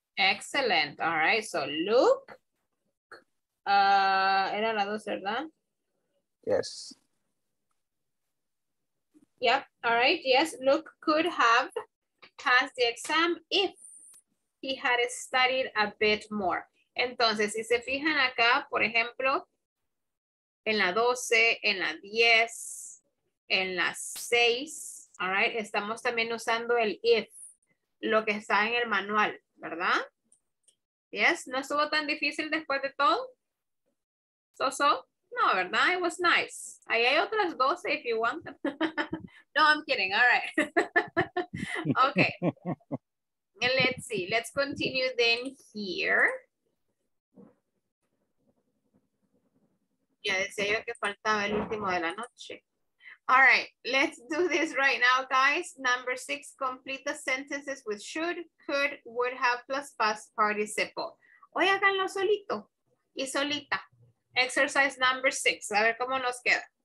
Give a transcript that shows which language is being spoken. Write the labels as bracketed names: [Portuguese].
[English] Excellent. All right. So Luke, [Spanish] era la 12, ¿verdad? [English] Yes. Yep. All right. Yes. Luke could have passed the exam if he had studied a bit more. [Spanish] Entonces, si se fijan acá, por ejemplo, en la 12, en la 10, en la 6, all right, estamos también usando el if, lo que está en el manual, ¿verdad? Yes. ¿No estuvo tan difícil después de todo? So-so. No, ¿verdad? [English] It was nice. [Spanish] Ahí hay otras 12 [English] if you want them. No, I'm kidding. All right. Okay. And let's see. Let's continue then here. [Spanish] Ya decía yo que faltaba el último de la noche. [English] All right. Let's do this right now, guys. Number 6. Complete the sentences with should, could, would have, plus past participle. [Spanish] Hoy háganlo solito y solita. [English] Exercise number 6. [Spanish] A ver cómo nos queda.